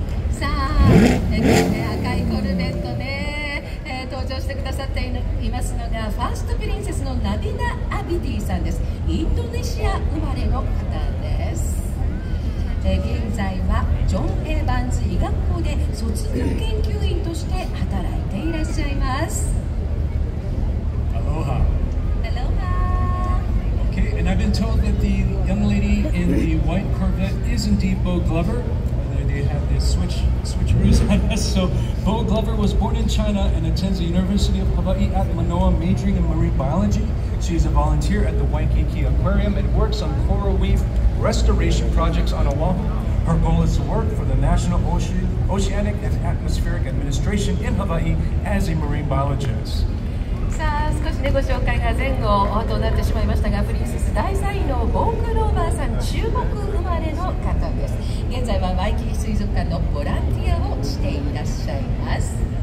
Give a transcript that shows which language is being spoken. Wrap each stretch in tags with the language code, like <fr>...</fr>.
<ja>さあ、赤いコルベットで、登場してくださっていますのが、ファーストプリンセス、ラビナ・アプディさんです。インドネシア生まれの方です。現在はジョン・エバンズ医学校で卒業研究員として働いていらっしゃいます。アロハ。アロハ。</ja> <en>Okay, and I've been told that the young lady in the white Corvette is indeed Bo Glover. They have this switch rules on us. So, Bo Glover was born in China and attends the University of Hawaii at Manoa, majoring in marine biology. She is a volunteer at the Waikiki Aquarium and works on coral reef restoration projects on Oahu. Her goal is to work for the National Oceanic and Atmospheric Administration in Hawaii as a marine biologist.</en> <ja>さあ、少でご紹介が前後となってしまいましたが、プリンセス大サイのボンクローバーさん、中国生まれの方です。現在はワイキキ水族館のボランティアをしていらっしゃいます。</ja>